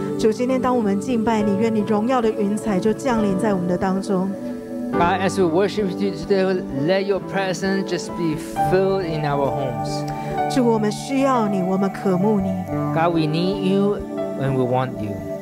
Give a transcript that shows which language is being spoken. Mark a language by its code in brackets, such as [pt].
[zh] 今天当我们敬拜你，愿你荣耀的云彩就降临在我们的当中。 [en] God, as we worship you today, let your presence just be filled in our homes. [zh] 主，我们需要你，我们渴慕你。 [en] God, we need you and we want you.